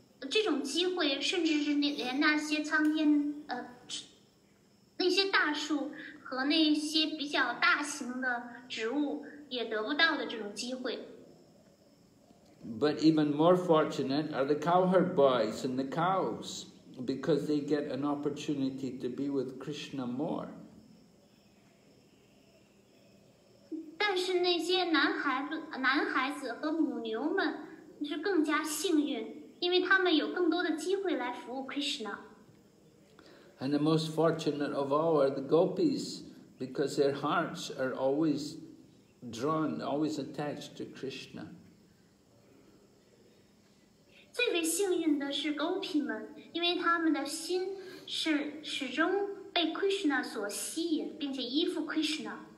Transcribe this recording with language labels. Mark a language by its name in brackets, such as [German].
[Chinese] 这种机会甚至是连那些苍天那些大树和那些比较大型的植物也得不到的这种机会。 [English] But even more fortunate are the cowherd boys and the cows because they get an opportunity to be with Krishna more. [Chinese] 但是那些男孩子和母牛们是更加幸运。因为他们有更多的机会来服务 Krishna. [English] And the most fortunate of all are the gopis, because their hearts are always drawn, always attached to Krishna. [Chinese] 最为幸运的是 gopi 们，因为他们的心是始终被 Krishna 所吸引，并且依附 Krishna.